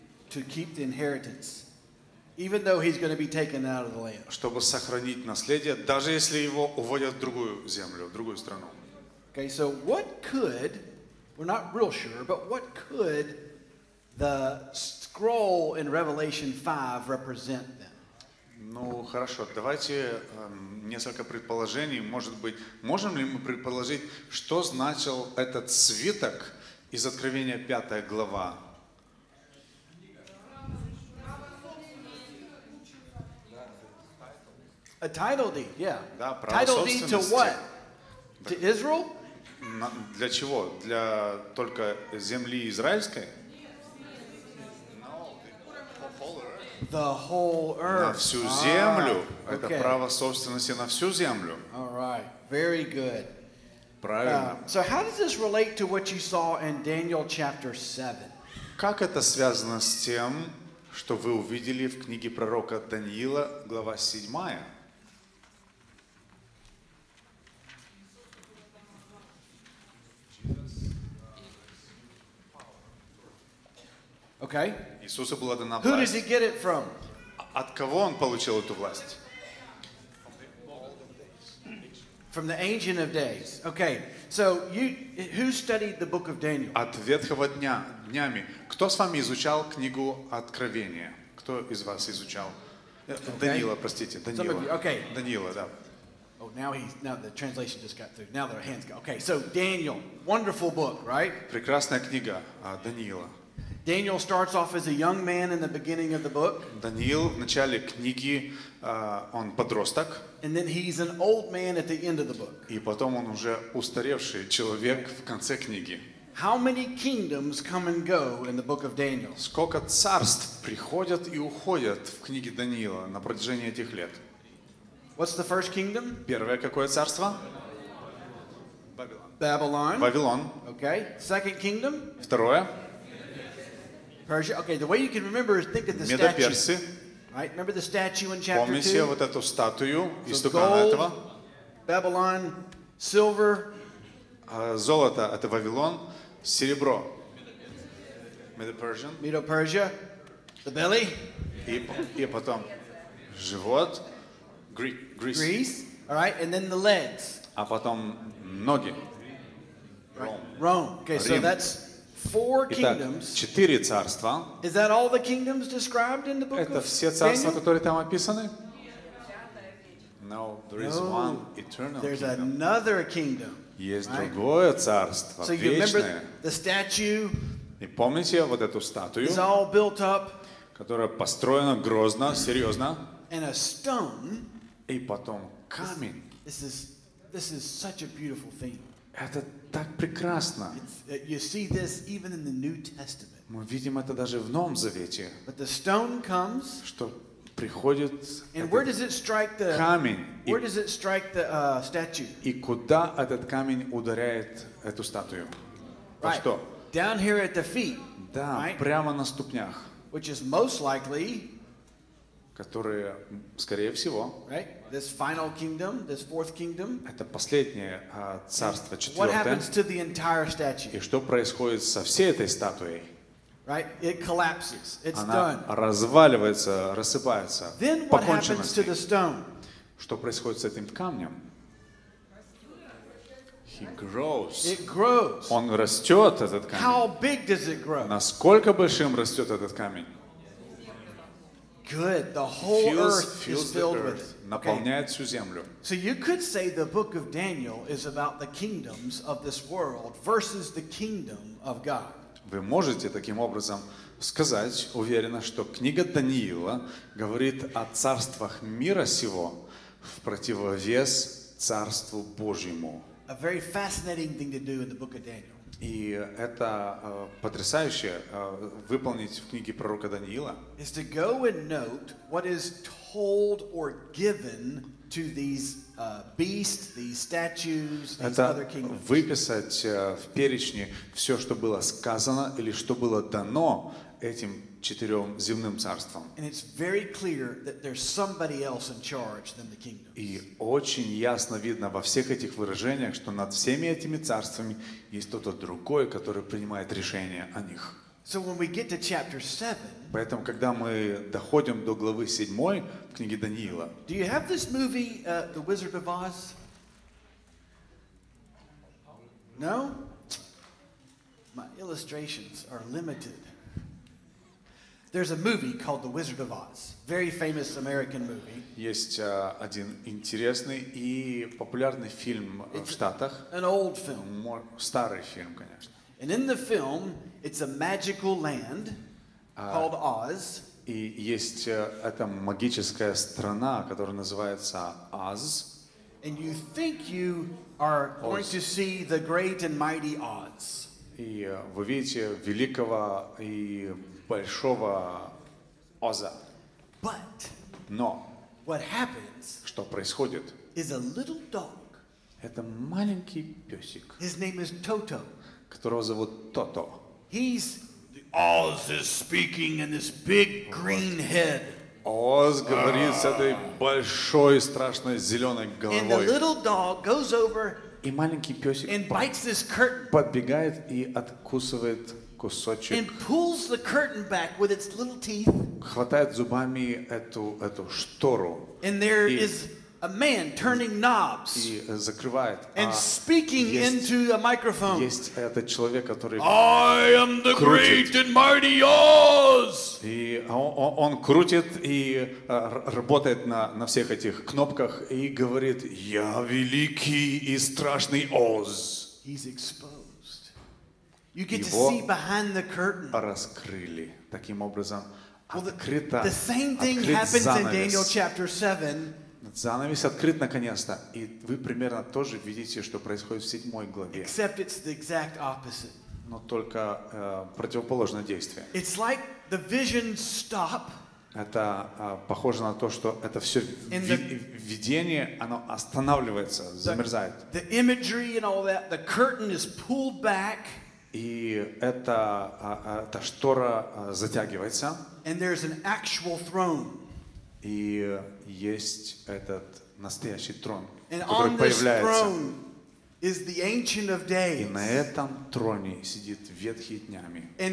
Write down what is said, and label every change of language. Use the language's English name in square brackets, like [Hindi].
[English] To keep the inheritance. Even though he's going to be taken out of the land. [Russian] Чтобы сохранить наследие, даже если его уводят в другую землю, в другую страну. [English] Okay, so what could, we're not real sure, but what could the scroll in Revelation 5 represent then? [Russian] Ну, хорошо, давайте несколько предположений. Может быть, можем ли мы предположить, что значил этот свиток из Откровения 5 глава? [English] A title deed, yeah. [Russian] Да, [English] title deed to what? To Israel? [Russian] Для чего? Для только земли израильской? [English] The whole earth. [Russian] На всю землю. Это okay. Право собственности на всю землю. [English] All right. Very good. [Russian] Правильно. [English] So how does this relate to what you saw in Daniel chapter 7? [Russian] Как это связано с тем, что вы увидели в книге пророка Даниила, глава 7? [English] Okay. [Russian] Иисусу была дана власть. [English] Who does he get it from? [Russian] От кого он получил эту власть? [English] From the Ancient of Days. Okay. So you, who studied the book of Daniel? [Russian] От Ветхого дня, днями. Кто с вами изучал книгу Откровения? Кто из вас изучал? Okay. Даниила, простите, Даниила. [English] Okay. [Russian] Даниила, да. [English] Oh, now the translation just got through. Now their hands got. Okay. So Daniel, wonderful book, right? [Russian] Прекрасная книга, Даниила. [English] Daniel starts off as a young man in the beginning of the book. [Russian] Даниил в начале книги, он подросток. [English] And then he's an old man at the end of the book. [Russian] И потом он уже устаревший человек в конце книги. [English] How many kingdoms come and go in the book of Daniel? [Russian] Сколько царств приходят и уходят в книге Даниила на протяжении этих лет? [English] What's the first kingdom? [Russian] Первое какое царство? Бабилон. Babylon. Вавилон. [English] Okay. Second kingdom? [Russian] Второе. [English] Persia. Okay, the way you can remember is think of the statue. Right? Remember the statue in chapter 2? [Russian] Помните вот эту статую из [English] so gold, Babylon, silver. [Russian] Золото это Вавилон, серебро. [English] Medo-Persian. Medo-Persia. The belly. [Russian] И потом живот. Greece. [English] Greece. All right, and then the legs. [Russian] А потом ноги. [English] Rome. Okay, [Russian] Rim. [English] So that's Four kingdoms. [Russian] Итак, четыре царства. [English] Is that all the kingdoms described in the book of Daniel? [Russian] Это все царства, которые там описаны? [English] No, there is no, one eternal there's kingdom. There's another kingdom. [Russian] Есть right? другое царство, [English] so [Russian] вечное. [English] So you remember the statue? [Russian] И помните вот эту статую? [English] It's all built up. [Russian] Которая построена грозно, серьезно. [English] And a stone. [Russian] И потом камень. [English] This is such a beautiful thing. [Russian] Это так прекрасно. [English] You see this even in the New Testament. [Russian] Мы видим это даже в Новом Завете. [English] But the stone comes. [Russian] Что приходит? [English] And where does it strike the [Russian] камень? [English] Where does it strike the statue? [Russian] И куда этот камень ударяет эту статую? [English] Right. [Russian] Что? [English] Down here at the feet. [Russian] Да, [English] right? [Russian] Прямо на ступнях. [English] Which is most likely. [Russian] Которые, скорее всего, [English] right? This final kingdom, this fourth kingdom. [Russian] Это последнее царство, четвертое. [English] What happens to the entire statue? [Russian] И что происходит со всей этой статуей? [English] Right? It collapses. It's [Russian] Она [English] done. [Russian] Разваливается, рассыпается. [English] Then what happens to the stone? [Russian] Что происходит с этим камнем? [English] He grows. It grows. [Russian] Он растет, этот камень. [English] How big does it grow? [Russian] Насколько большим растет этот камень? [English] Good. The whole earth is filled with. [Russian] Наполняет всю землю. [English] So you could say the book of Daniel is about the kingdoms of this world versus the kingdom of God. [Russian] Вы можете таким образом сказать уверенно, что книга Даниила говорит о царствах мира сего в противовес царству Божьему. [English] A very fascinating thing to do in the book of Daniel. [Russian] И это потрясающе выполнить в книге пророка Даниила. [English] Is to go and note what is told or given to these beasts, these statues, these other kingdoms. [Russian] Это выписать в перечне все, что было сказано или что было дано этим четырем земным царствам. [English] And it's very clear that there's somebody else in charge than the kingdoms. [Russian] И очень ясно видно во всех этих выражениях, что над всеми этими царствами есть кто-то другой, который принимает решения о них. [English] So when we get to chapter 7, [Russian] поэтому когда мы доходим до главы 7 в книге Даниила. [English] Do you have this movie The Wizard of Oz? No? My illustrations are limited. There's a movie called The Wizard of Oz. Very famous American movie. [Russian] Есть один интересный и популярный фильм в Штатах. [English] An old film. [Russian] Старый фильм, конечно. [English] And in the film, it's a magical land called Oz. [Russian] И есть эта магическая страна, которая называется Oz. [English] And you think you are going to see the great and mighty Oz. [Russian] И вы видите великого и большого Оза. [English] But [Russian] но [English] what happens? [Russian] Что происходит? [English] Is a little dog. [Russian] Это маленький песик. [English] His name is Toto. [Russian] Которого зовут Тото. [English] He's the Oz is speaking in this big green head. [Russian] Оз говорит с этой большой страшной зеленой головой. [English] And the little dog goes over. [Russian] И маленький песик [English] and bites this curtain. [Russian] Подбегает и откусывает кусочек. [English] And pulls the curtain back with its little teeth. [Russian] Хватает зубами эту штору. [English] And there is a man turning knobs. [Russian] И закрывает. [English] And speaking into a microphone. [Russian] Есть этот человек, который. [English] I am the great and mighty Oz. [Russian] И он крутит и работает на всех этих кнопках и говорит: Я великий и страшный Оз. [English] He's exposed. You get to see behind the curtain. [Russian] Раскрыли таким образом. Открыто. [English] The same thing happens in Daniel chapter 7. [Russian] Занавес открыт наконец-то, и вы примерно тоже видите, что происходит в 7 главе. [English] Except it's the exact opposite. [Russian] Но только противоположное действие. [English] It's like the vision stop. [Russian] Это похоже на то, что это все видение, оно останавливается, замерзает. [English] The imagery and all that, the curtain is pulled back. [Russian] И эта штора затягивается. [English] And there's an actual throne. [Russian] И есть этот настоящий трон, который появляется. И на этом троне сидит Ветхий Днями.